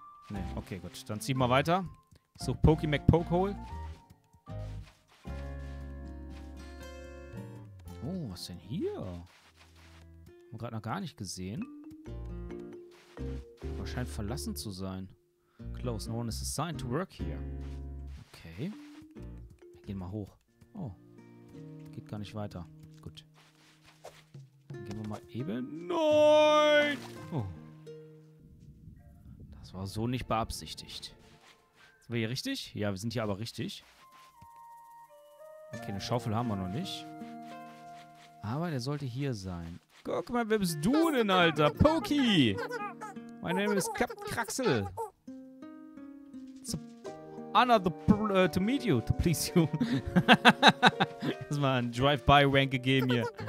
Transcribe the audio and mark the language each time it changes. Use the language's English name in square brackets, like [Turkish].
[German] Nee, okay, gut. Dann ziehen wir weiter. So, Pokey Mac Poke Hole. Oh, was denn hier? Haben wir gerade noch gar nicht gesehen. Aber scheint verlassen zu sein. [English] Close, no one is assigned to work here. [German] Okay. Wir gehen mal hoch. Oh. Geht gar nicht weiter. Gut. Dann gehen wir mal eben. Nein! Oh. Das war so nicht beabsichtigt. Sind wir hier richtig? Ja, wir sind hier aber richtig. Okay, eine Schaufel haben wir noch nicht. Aber der sollte hier sein. Guck mal, wer bist du denn, Alter? Pokey! Mein Name ist Captain Kraxel. [English] It's an honor to meet you, to please you. [German] Das ist mal ein Drive-by-Rank gegeben hier.